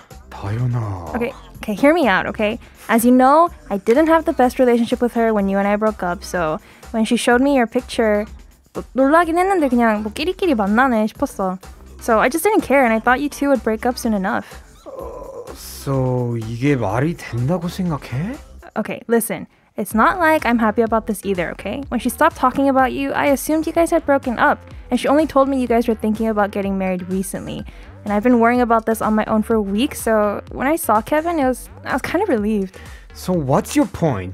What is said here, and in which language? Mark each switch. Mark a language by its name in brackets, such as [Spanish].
[Korean] 다현아. [English] Okay, hear me out, okay? As you know, I didn't have the best relationship with her when you and I broke up, so when she showed me your picture, [Korean] 놀라긴 했는데 그냥 뭐 끼리끼리 만나네 싶었어. [English] So I just didn't care, and I thought you two would break up soon enough. So [Korean] 이게 말이 된다고 생각해? [English] Okay, listen. It's not like I'm happy about this either, okay? When she stopped talking about you, I assumed you guys had broken up. And she only told me you guys were thinking about getting married recently. And I've been worrying about this on my own for weeks, so when I saw Kevin, I was kind of relieved. So what's your point?